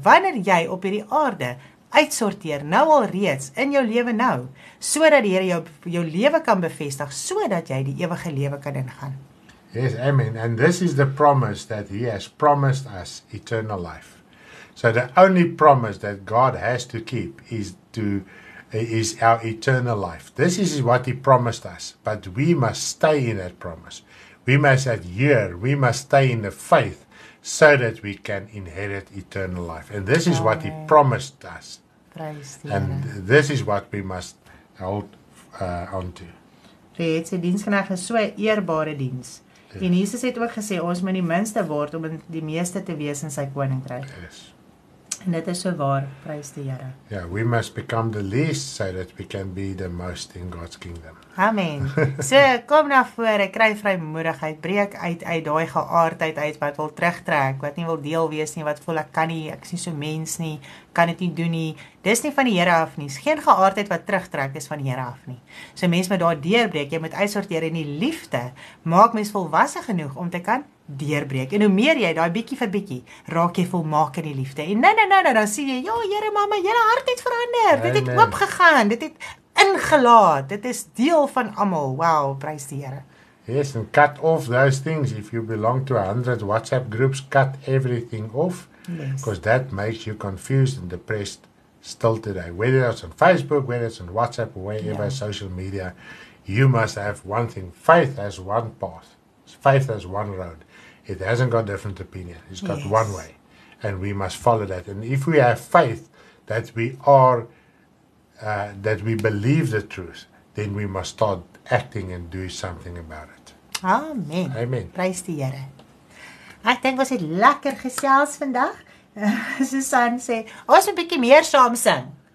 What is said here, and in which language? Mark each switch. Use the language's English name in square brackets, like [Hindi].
[Afrikaans] Wanneer jy op hierdie aarde uitsorteer, nou al reeds, in jou lewe nou, so dat die Here jou lewe kan bevestig, so dat jy die ewige lewe kan ingaan. [English] Yes, amen. And this is the promise that He has promised us, eternal life. So the only promise that God has to keep is our eternal life. This is what He promised us, but we must stay in that promise. We must adhere, we must stay in the faith, so that we can inherit eternal life. And this is what He promised us. Praise the and Lord. This is what we must hold on to. [Afrikaans] Reeds, die diensknegt is so 'n eerbare diens. Yes. En Jesus het ook gesê, ons moet die minste word om die meeste te wees in sy koninkryk. Yes. En dit is so waar, prys die Here. [English] Ja, yeah, we must become the least so that we can be the most in God's kingdom. [Afrikaans] Amen. So, kom na vore, kry vrymoedigheid, breek uit daai geaardheid uit wat wil terugtrek, wat nie wil deel wees nie, wat voel ek kan nie, ek is nie so mens nie, kan dit nie doen nie. Dis nie van die Here af nie. Geen geaardheid wat terugtrek is van die Here af nie. So mens moet daar deurbreek, jy moet uitsorteer in die liefde. Maak mens volwasse genoeg om te kan deurbreek. En hoe meer jy, daai bietjie vir bietjie, raak jy volmaak in die liefde. En nou, dan sien jy, ja, Here, mama, jy hart het verander. Dit het oopgegaan, dit het ingelaat. Dit is deel van almal. Wow, prys die Here. [English] Yes, and cut off those things. If you belong to 100 WhatsApp groups, cut everything off. Because yes. That makes you confused and depressed still today. Whether it's on Facebook, whether it's on WhatsApp, or wherever social media, you must have one thing. Faith has one path. Faith has one road. It hasn't got different opinion. It's got one way. And we must follow that. And if we have faith that we believe the truth, then we must start acting and do something about it. Amen. Amen. [Afrikaans] Prys die Here. Ek dink ons het lekker gesels vandag. Susan sê, ons moet 'n bietjie meer saam sing.